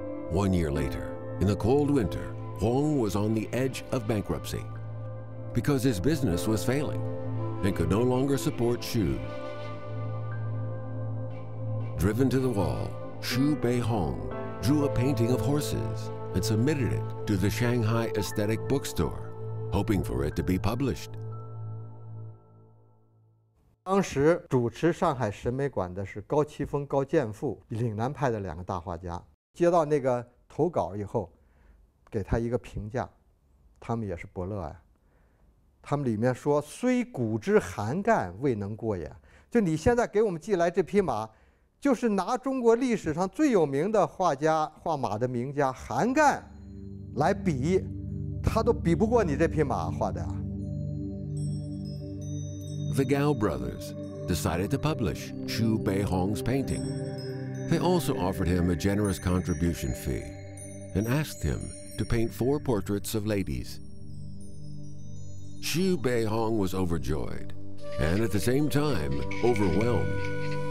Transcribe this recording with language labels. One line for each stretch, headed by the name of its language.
English: 1 year later, in the cold winter, Huang was on the edge of bankruptcy because his business was failing and could no longer support Xu. Driven to the wall, Xu Beihong drew a painting of horses and submitted it to the Shanghai Aesthetic Bookstore, hoping for it to be published.
Chinese: 当时主持上海审美馆的是高奇峰、高建富，岭南派的两个大画家。接到那个投稿以后，给他一个评价，他们也是伯乐啊。他们里面说：“虽骨之含干，未能过也。” 就你现在给我们寄来这匹马，就是拿中国历史上最有名的画家画马的名家韩干来比，他都比不过你这匹马画的。
English: The Gao brothers decided to publish Xu Beihong's painting. They also offered him a generous contribution fee and asked him to paint four portraits of ladies. Xu Beihong was overjoyed and at the same time overwhelmed.